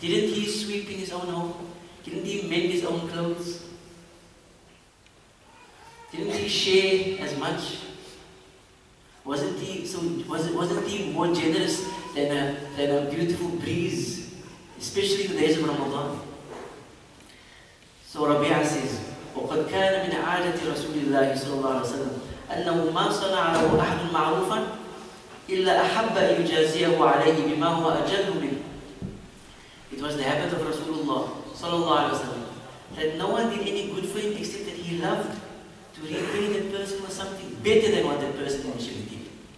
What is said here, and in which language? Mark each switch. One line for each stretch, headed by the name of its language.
English: Didn't he sweep in his own home? Didn't he mend his own clothes? Didn't he share as much? Wasn't he more generous than a beautiful breeze, especially in the days of Ramadan? So Rabi'ah says,
Arabic: وَقَدْ كَانَ مِنْ عَادَةِ رَسُولِ اللَّهِ صَلَّى اللَّهُ عَلَيْهِ وَسَلَّمَ أَنَّهُ مَا صَنَعَ لَهُ أَحَدٌ مَعْرُوفًا إِلَّا أَحَبَّ أَنْ يُجَازِيَهُ عَلَيْهِ بِمَا هُوَ أَجَلُّ مِنْهُ.
English: It was the habit of Rasulullah صلى الله عليه وسلم that no one did any good for him except that he loved to repay that person with something better than what that person initially did.